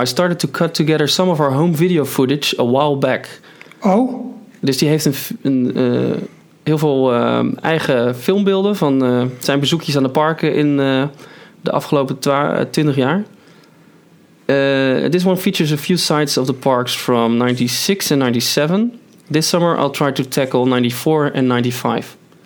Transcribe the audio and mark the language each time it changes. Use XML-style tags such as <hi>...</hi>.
<en>I started to cut together some of our home video footage a while back. Oh.</en> <nl>Dus die heeft heel veel eigen filmbeelden van zijn bezoekjes aan de parken in de afgelopen 20 jaar.</nl> <en>This one features a few sites of the parks from 96 and 97. This summer I'll try to tackle 94 and 95.</en>